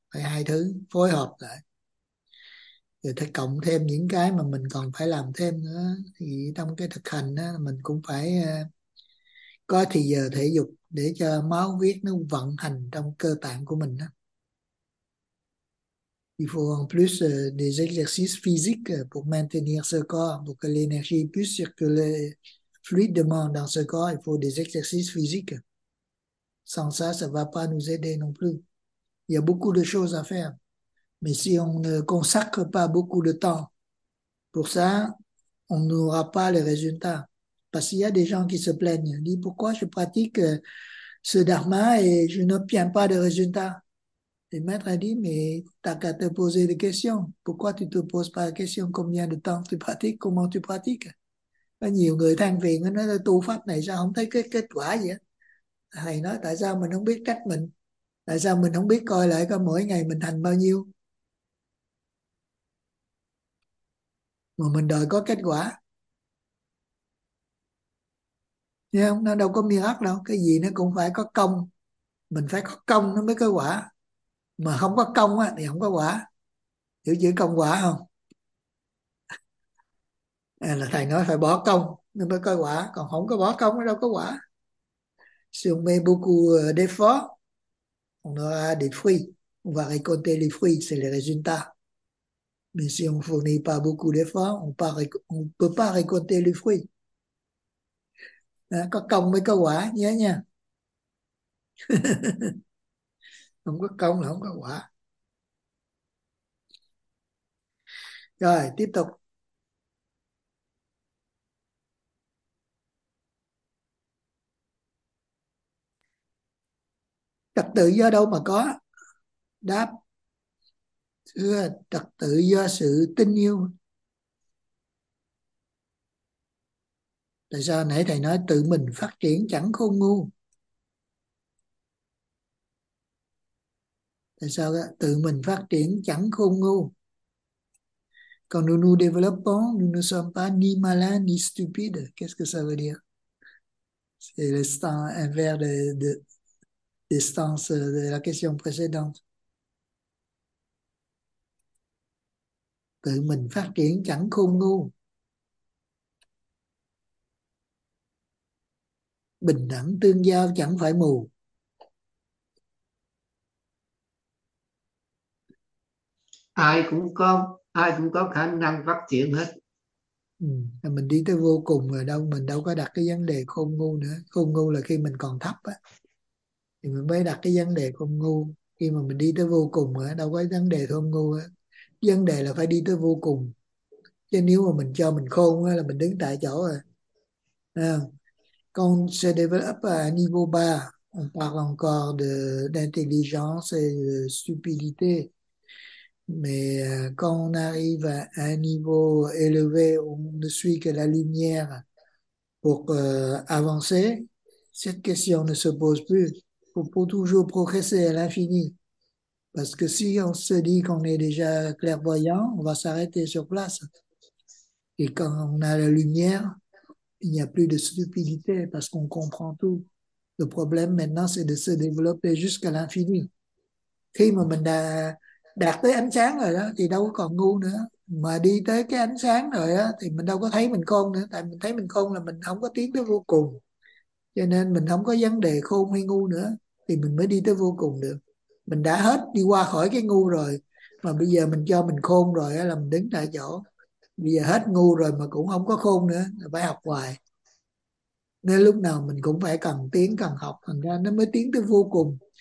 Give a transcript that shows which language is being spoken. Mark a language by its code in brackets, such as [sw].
[vi] Phải hai thứ phối hợp lại rồi thì cộng thêm những cái mà mình còn phải làm thêm nữa, thì trong cái thực hành đó, mình cũng phải có thì giờ thể dục để cho máu huyết nó vận hành trong cơ tạng của mình đó. [fr] Il faut en plus des exercices physiques pour maintenir ce corps, pour que l'énergie puisse circuler fluidement dans ce corps. Il faut des exercices physiques. Sans ça, ça ne va pas nous aider non plus. Il y a beaucoup de choses à faire. Mais si on ne consacre pas beaucoup de temps pour ça, on n'aura pas les résultats. Parce qu'il y a des gens qui se plaignent. Ils disent, pourquoi je pratique ce dharma et je n'obtiens pas de résultats? Le maître a dit, mais t'as qu'à te poser des questions. Pourquoi tu te poses pas la question combien de temps tu pratiques, comment tu pratiques? [vi] Có nhiều người than phiền, nó nói tu pháp này sao không thấy cái kết quả gì á. Thầy nói, tại sao mình không biết trách mình? Tại sao mình không biết coi lại có mỗi ngày mình hành bao nhiêu? Mà mình đòi có kết quả. Thấy không? Nó đâu có miếng ắt đâu. Cái gì nó cũng phải có công. Mình phải có công nó mới có quả. Mà không có công á thì không có quả, hiểu chữ công quả không? Là thầy nói phải bỏ công nên mới có quả, còn không có bỏ công nó đâu có quả. [fr] Si on met beaucoup d'efforts, on aura des fruits, on va récolter les fruits, c'est les résultats. Mais si on fournit pas beaucoup d'efforts, on peut pas récolter les fruits. [vi] Có công mới có quả, nhớ nha. Không có công là không có quả. Rồi, tiếp tục. Trật tự do đâu mà có? Đáp. Thưa, trật tự do sự tin yêu. Tại sao nãy thầy nói tự mình phát triển chẳng khôn ngu? Tại sao đó? Tự mình phát triển chẳng khôn ngu. [fr] Còn nous nous développons, nous ne sommes pas ni malins ni stupides. Qu'est-ce que ça veut dire? C'est le sens inverse de sens de la question précédente. [vi] Tự mình phát triển chẳng khôn ngu. Bình đẳng tương giao chẳng phải mù. Ai cũng có khả năng phát triển hết. Mình đi tới vô cùng rồi đâu, mình đâu có đặt cái vấn đề khôn ngu nữa. Khôn ngu là khi mình còn thấp á thì mình mới đặt cái vấn đề khôn ngu, khi mà mình đi tới vô cùng rồi đâu có vấn đề khôn ngu á. Vấn đề là phải đi tới vô cùng, chứ nếu mà mình cho mình khôn á là mình đứng tại chỗ rồi. [fr] À, con se développe à niveau bas, on parle encore de d'intelligence et de stupidité. Mais quand on arrive à un niveau élevé, on ne suit que la lumière pour avancer, cette question ne se pose plus. Il faut toujours progresser à l'infini. Parce que si on se dit qu'on est déjà clairvoyant, on va s'arrêter sur place. Et quand on a la lumière, il n'y a plus de stupidité parce qu'on comprend tout. Le problème maintenant, c'est de se développer jusqu'à l'infini. [vi] Khi mà mình a đạt tới ánh sáng rồi đó thì đâu còn ngu nữa, mà đi tới cái ánh sáng rồi đó thì mình đâu có thấy mình khôn nữa, tại mình thấy mình khôn là mình không có tiến tới vô cùng, cho nên mình không có vấn đề khôn hay ngu nữa thì mình mới đi tới vô cùng được. Mình đã hết đi qua khỏi cái ngu rồi mà bây giờ mình cho mình khôn rồi đó, là mình đứng tại chỗ, bây giờ hết ngu rồi mà cũng không có khôn nữa, phải học hoài, nên lúc nào mình cũng phải cần tiến cần học, thành ra nó mới tiến tới vô cùng.